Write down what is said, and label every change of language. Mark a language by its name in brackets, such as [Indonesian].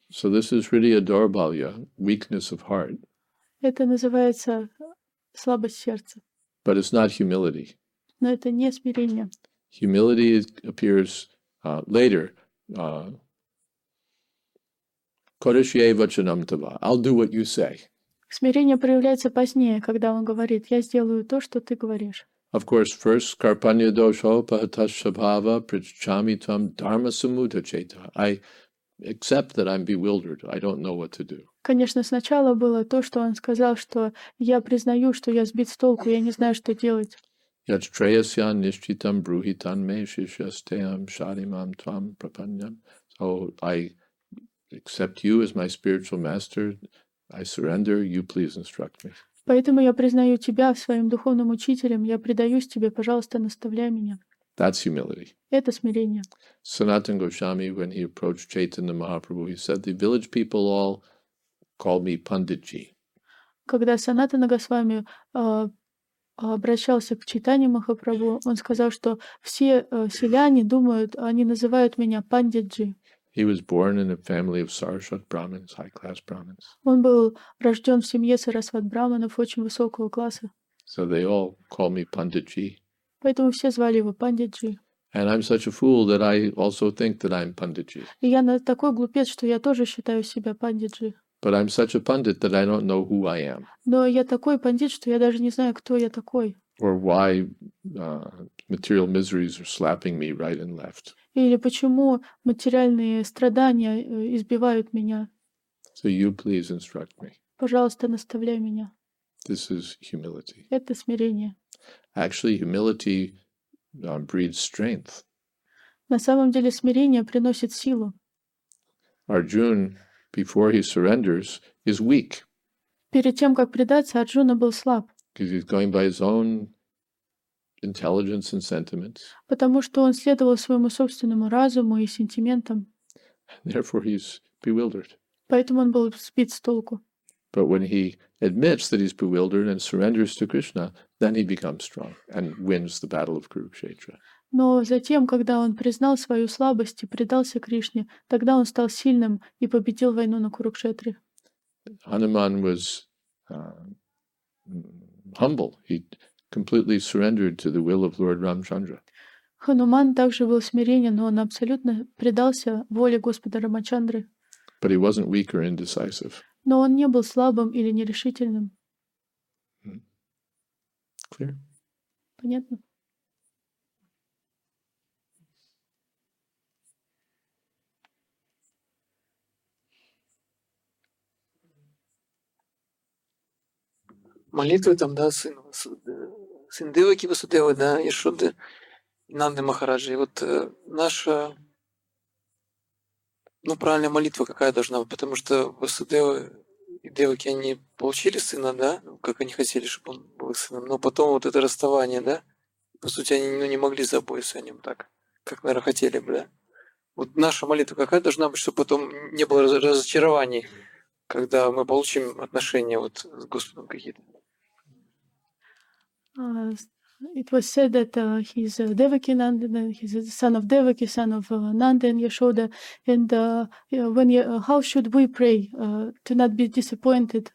[English] So this is really a Dorbalya, weakness of heart. [Russian] Это называется слабость сердца. [English] But it's not humility. [Russian] Но это не смирение. [English] Humility appears later. [Sanskrit] Kodashye vachanam tava. [English] I'll do what you say. [Russian] Смирение проявляется позднее, когда он говорит: «Я сделаю то, что ты говоришь». [English] Of course, first [Sanskrit] karpanya dosho pahatashabhava prichami tam dharma samudacheta. [English] I accept that I'm bewildered. I don't know what to do. [Russian] Конечно, сначала было то, что он сказал, что я признаю, что я сбит с толку, я не знаю, что делать. [Sanskrit] Yachtrayasya nishchitam bruhitan me shishyasteyam sharimam tvam prapanyam. [English] So I accept you as my spiritual master. I surrender. You please instruct me. [Russian] Поэтому я признаю тебя своим духовным учителем. Я предаюсь тебе. Пожалуйста, наставляй меня. [English] That's humility. [Russian] Это смирение. [English] Sanatana Goswami, when he approached Chaitanya Mahaprabhu, he said, the village people all call me Panditji. [Russian] Когда Санатана Госвами обращался к Чайтанье Махапрабху, он сказал, что все селяне думают, они называют меня Панджиджи. [English] He was born in a family of Saraswat Brahmins, high class Brahmins. [Russian] Он был рожден в семье Сарасват Брахманов очень высокого класса. [English] So they all call me Панджиджи. [Russian] Поэтому все звали его Панджиджи. [English] And I'm such a fool that I also think that I'm Панджиджи. [Russian] И я такой глупец, что я тоже считаю себя Панджиджи. [English] But I'm such a pundit that I don't know who I am. [Russian] Но я такой пандит, что я даже не знаю, кто я такой. [English] Or why material miseries are slapping me right and left. [Russian] Или почему материальные страдания избивают меня. [English] So you please instruct me. [Russian] Пожалуйста, наставляй меня. [English] This is humility. [Russian] Это смирение. [English] Actually, humility breeds strength. [Russian] На самом деле, смирение приносит силу. [English] Arjuna, before he surrenders, is weak. [Russian] Перед тем, как предаться, Арджуна был слаб. [English] Because he's going by his own intelligence and sentiments. [Russian] Потому что он следовал своему собственному разуму и сентиментам. [English] Therefore, he's bewildered. [Russian] Поэтому он был сбит с толку. [English] But when he admits that he's bewildered and surrenders to Krishna, then he becomes strong and wins the battle of Kurukshetra. [Russian] Но затем, когда он признал свою слабость и предался Кришне, тогда он стал сильным и победил войну на Курукшетре. [English] Hanuman was humble. He completely surrendered to the will of Lord Ramchandra. [Russian] Хануман также был смиренен, но он абсолютно предался воле Господа Рамачандры. [English] But he wasn't weak or indecisive. [Russian] Но он не был слабым или нерешительным. [English] Clear? [Russian] Понятно. Молитвы там, да, сын Деваки Васудевы, да, Яшоды, Нанды Махараджи. И вот наша, ну, правильная молитва какая должна быть, потому что Васудевы и Деваки, они получили сына, да, как они хотели, чтобы он был сыном, но потом вот это расставание, да, по сути, они, ну, не могли заботиться о нем так, как, наверное, хотели бы, да. Вот наша молитва какая должна быть, чтобы потом не было разочарований, когда мы получим отношения вот с Господом какие-то. [English] It was said that he's a Devaki Nandan, he's a son of Devaki, son of Nanda and Yashoda. And how should we pray to not be disappointed?